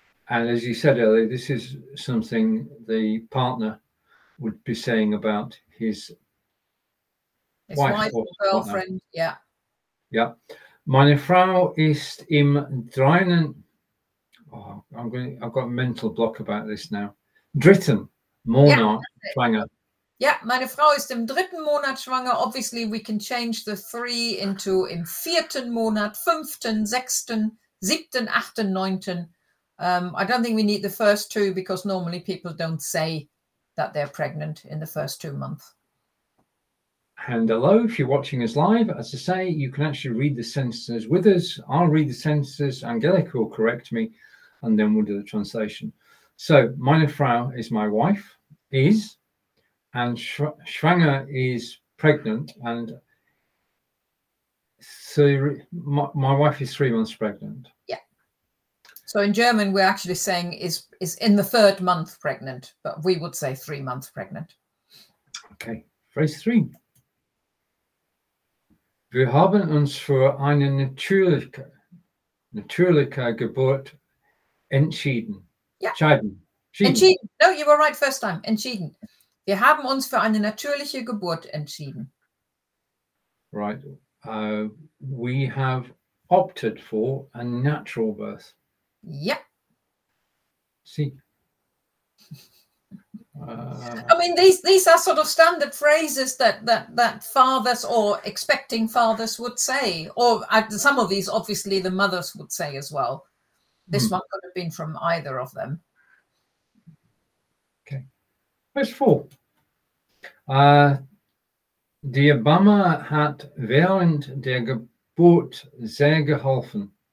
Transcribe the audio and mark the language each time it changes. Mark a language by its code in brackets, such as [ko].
[en] And as you said earlier, this is something the partner would be saying about his wife or girlfriend. Partner. Yeah. [de] Yeah. Meine Frau ist im Dreinen. [en] Oh, I've got a mental block about this now. [de] Dritten Monat schwanger. Yeah, meine Frau ist im dritten Monat schwanger. [en] Obviously, we can change the three into [de] im vierten Monat, fünften, sechsten, siebten, achten, neunten. [en] I don't think we need the first two because normally people don't say that they're pregnant in the first 2 months. And hello, if you're watching us live, as I say, you can actually read the sentences with us. I'll read the sentences, Angelica will correct me, and then we'll do the translation. So, meine Frau is my wife, is... And schwanger is pregnant, and so my wife is 3 months pregnant. Yeah. So in German, we're actually saying is in the third month pregnant, but we would say 3 months pregnant. Okay. Phrase three. [de] Wir haben uns für eine natürliche Geburt entschieden. [en] Yeah. [de] Entschieden. [en] No, you were right first time. Entschieden. [de] Wir haben uns für eine natürliche Geburt entschieden. [en] Right. We have opted for a natural birth. Yep. See. I mean, these are sort of standard phrases that fathers or expecting fathers would say. Or some of these, obviously, the mothers would say as well. This one could have been from either of them. Okay. Verse four. [de] Die Mama hat während der Geburt sehr geholfen.